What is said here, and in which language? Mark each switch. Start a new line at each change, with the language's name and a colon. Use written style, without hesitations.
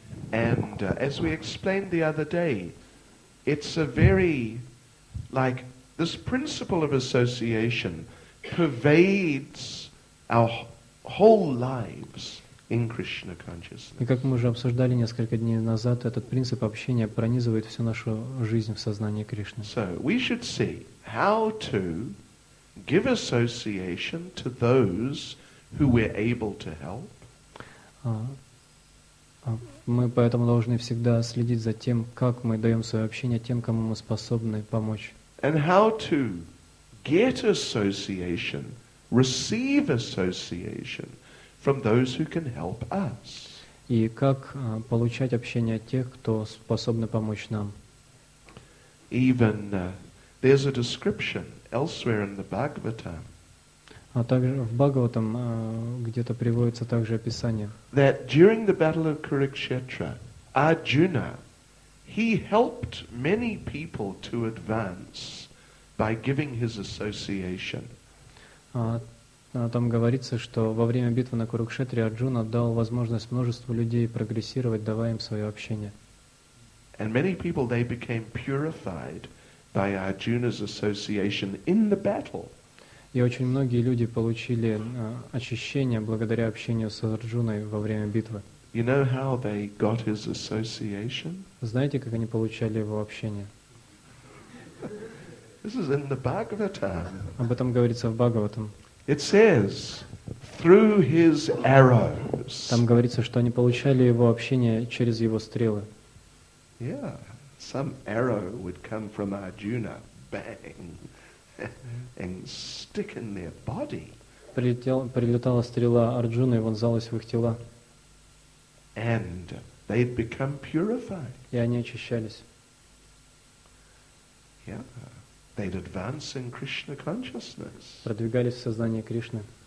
English: And as we explained the other day, it's a very, like, this principle of association pervades our whole lives. In Krishna consciousness.
Russian: И как мы уже обсуждали несколько дней назад, этот принцип общения пронизывает всю нашу жизнь в сознании Кришны.
English: So we should see how to give association to those who we're able to help.
Russian: Мы поэтому должны всегда следить за тем, как мы даем свое общение тем, кому мы способны помочь.
English: And how to get association, receive association. From those who can help us.
Russian: И как получать общение от тех, кто способны помочь нам?
English: Even there's a description elsewhere in the Bhagavatam.
Russian: А также в Бхагаватам где-то приводится также описание.
English: That during the battle of Kurukshetra, Arjuna, he helped many people to advance by giving his association.
Russian: Там говорится, что во время битвы на Курукшетре Арджуна дал возможность множеству людей прогрессировать, давая им свое общение.
English: And many people, they became purified by Arjuna's association in the battle.
Russian: И очень многие люди получили очищение благодаря общению с Арджуной во время битвы.
English: You know how they got his association?
Russian: Знаете, как они получали его общение?
English: This is in the Bhagavatam.
Russian: Об этом говорится в Бхагаватам.
English: It says, through his arrows.
Russian: Там говорится, что они получали его общение через его стрелы.
English: Yeah, some arrow would come from Arjuna, bang, and stick in their body.
Russian: Прилетала стрела Арджуны и вонзалась в их тела.
English: And they'd become purified.
Russian: И они очищались.
English: Yeah. They'd advance in Krishna consciousness.
Russian: Продвигались в сознании Кришны.